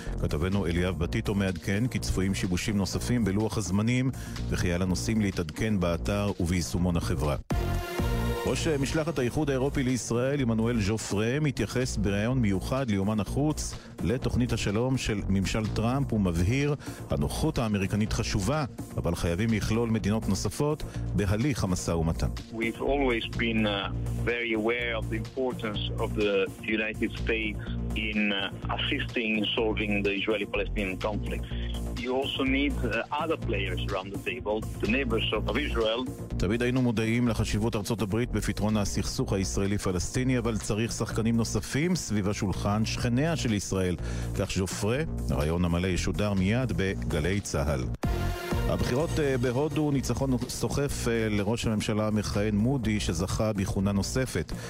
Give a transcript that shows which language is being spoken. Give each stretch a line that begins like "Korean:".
Hebrew: כתבנו אליאב בטיטו מעדכן כי צפויים שיבושים נוספים בלוח הזמנים, וכי על הנוסעים להתעדכן באתר וביישומון החברה. ראש משלחת האיחוד האירופי לישראל, אמנואל ז'ופרה, מתייחס בריאיון מיוחד ליומן החוץ לתוכנית השלום של ממשל טראמפ, ומבהיר: הנוכחות האמריקנית חשובה, אבל חייבים לכלול מדינות נוספות בהליך המסע ומתן.
English: We've always been very aware of the importance of the United States in assisting in solving the Israeli-Palestinian conflict. You also need other players around the table, the neighbors of Israel.
Hebrew: תמיד היינו מודעים לחשיבות ארצות הברית בפתרון הסכסוך הישראלי-פלסטיני, אבל צריך שחקנים נוספים סביב השולחן, שכניה של ישראל. כך ז'ופרה, רעיון המלא ישודר מיד בגלי צהל. הבחירות בהודו, ניצחון סוחף לראש הממשלה המכהן מודי, שזכה בכהונה נוספת.